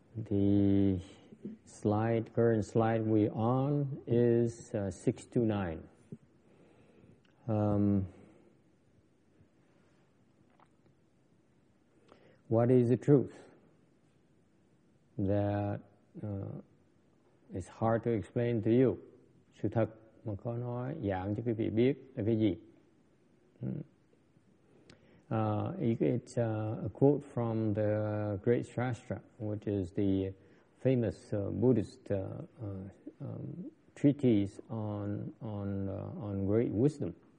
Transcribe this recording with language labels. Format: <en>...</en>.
<en>The slide, current slide we on is 629. What is the truth that is hard to explain to you?</en> <vi>Sự thật mà có nói giảng cho quý vị biết là cái gì?</vi> <en>It's a quote from the great Shastra, which is the famous Buddhist treatise on great wisdom.</en>